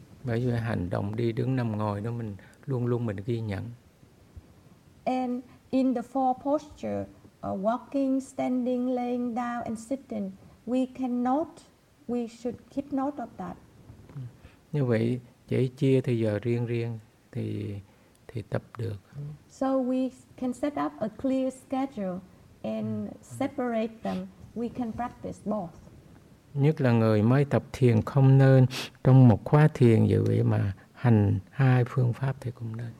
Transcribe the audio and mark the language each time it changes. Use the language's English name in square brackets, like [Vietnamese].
[Vietnamese] Bởi vì hành động đi đứng nằm ngồi đó mình luôn luôn mình ghi nhận. [English] And in the four posture, walking, standing, laying down and sitting, we can note, we should keep note of that. [Vietnamese] Như vậy chỉ chia thời giờ riêng riêng thì tập được. [English] So we can set up a clear schedule and separate them. We can practice both. [Vietnamese] Nhất là người mới tập thiền không nên trong một khóa thiền dự vậy mà hành hai phương pháp thì cũng nên.